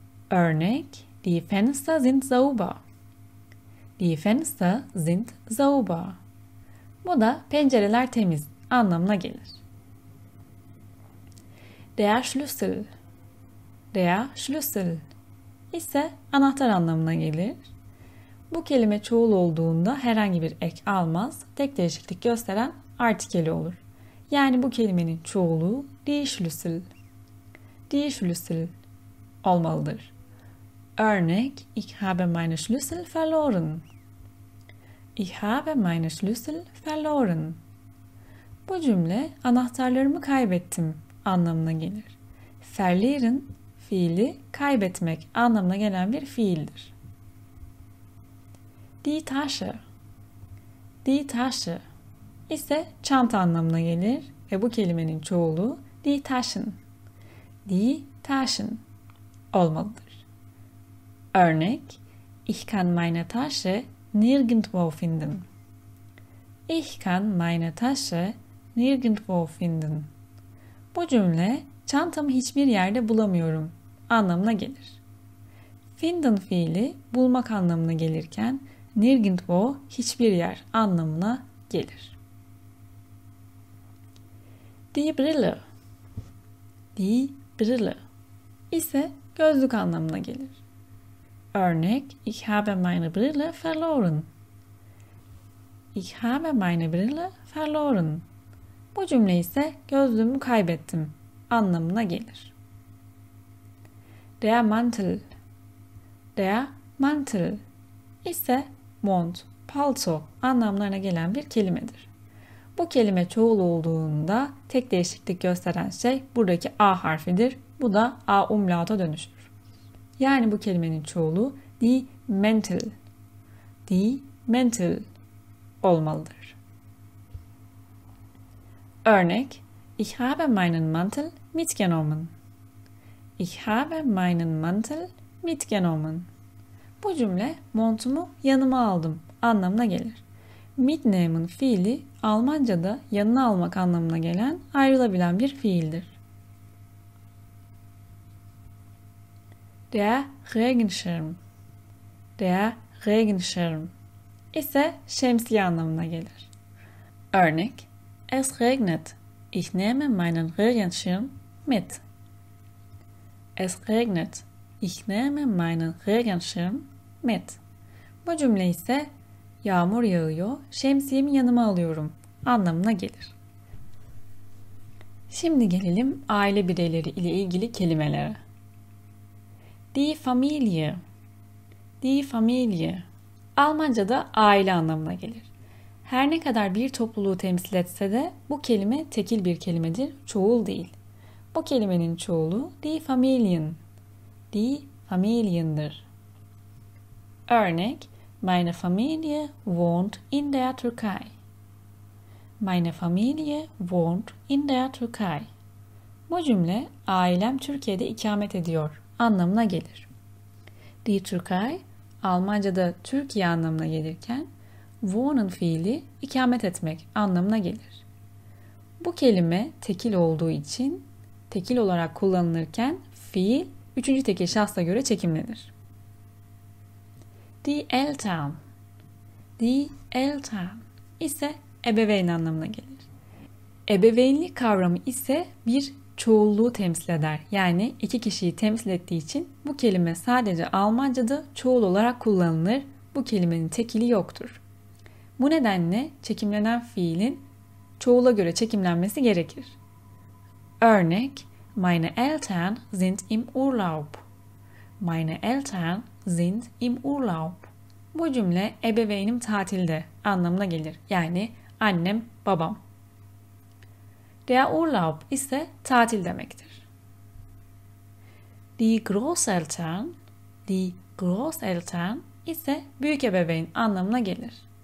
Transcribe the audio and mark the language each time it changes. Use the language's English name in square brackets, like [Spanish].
[German] Örnek: Die Fenster sind sauber. Die Fenster sind sauber. [Turkish] Bu da pencereler temiz anlamına gelir. Der Schlüssel. Der Schlüssel ise anahtar anlamına gelir. Bu kelime çoğul olduğunda herhangi bir ek almaz, tek değişiklik gösteren artikeli olur. Yani bu kelimenin çoğulu die Schlüssel. Die Schlüssel olmalıdır. [German] Örnek: Ich habe meine Schlüssel verloren. Ich habe meine Schlüssel verloren. [Turkish] Bu cümle anahtarlarımı kaybettim anlamına gelir. Verlieren fiili kaybetmek anlamına gelen bir fiildir. Die Tasche. Die Tasche ise çanta anlamına gelir ve bu kelimenin çoğulu die Taschen. Die Taschen olmalıdır. [German] Örnek: Ich kann meine Tasche nirgendwo finden. Ich kann meine Tasche nirgendwo finden. [Turkish] Bu cümle "çantamı hiçbir yerde bulamıyorum" anlamına gelir. Finden fiili bulmak anlamına gelirken nirgendwo hiçbir yer anlamına gelir. Die Brille. Die Brille ise gözlük anlamına gelir. [German] Örnek: Ich habe meine Brille verloren. Ich habe meine Brille verloren. [Turkish] Bu cümle ise gözlüğümü kaybettim anlamına gelir. Der Mantel. Der Mantel ise mont, palto anlamlarına gelen bir kelimedir. Bu kelime çoğul olduğunda tek değişiklik gösteren şey buradaki A harfidir. Bu da A umlauta dönüşür. Yani bu kelimenin çoğulu die Mäntel. Die Mäntel olmalıdır. [German] Örnek: Ich habe meinen Mantel mitgenommen. Ich habe meinen Mantel mitgenommen. [Turkish] Bu cümle montumu yanıma aldım anlamına gelir. Mitnehmen fiili Almanca'da yanına almak anlamına gelen ayrılabilen bir fiildir. Der Regenschirm. Der Regenschirm ise şemsiye anlamına gelir. [German] Örnek: Es regnet. Ich nehme meinen Regenschirm mit. Es regnet. Ich nehme meinen Regenschirm mit. [Turkish] Bu cümle ise yağmur yağıyor, şemsiyemi yanıma alıyorum anlamına gelir. Şimdi gelelim aile bireyleri ile ilgili kelimelere. [German] Die Familie. Die Familie. [Turkish] Almanca'da aile anlamına gelir. Her ne kadar bir topluluğu temsil etse de bu kelime tekil bir kelimedir, çoğul değil. Bu kelimenin çoğulu die Familien. Die Familien'dir. [German] Örnek: Meine Familie wohnt in der Türkei. Meine Familie wohnt in der Türkei. [Turkish] Bu cümle "ailem Türkiye'de ikamet ediyor" anlamına gelir. Die Türkei Almanca'da Türkiye anlamına gelirken wohnen fiili ikamet etmek anlamına gelir. Bu kelime tekil olduğu için tekil olarak kullanılırken fiil üçüncü tekil şahsa göre çekimlenir. Die Eltern. Die Eltern ise ebeveyn anlamına gelir. Ebeveynlik kavramı ise bir çoğulluğu temsil eder. Yani iki kişiyi temsil ettiği için bu kelime sadece Almanca'da çoğul olarak kullanılır. Bu kelimenin tekili yoktur. Bu nedenle çekimlenen fiilin çoğula göre çekimlenmesi gerekir. [German] Örnek: Meine Eltern sind im Urlaub. Meine Eltern sind im Urlaub. [Turkish] Bu cümle ebeveynim tatilde anlamına gelir. Yani annem, babam. Der Urlaub ise tatil demektir. Die Großeltern, die Großeltern ise büyük ebeveyn anlamına gelir.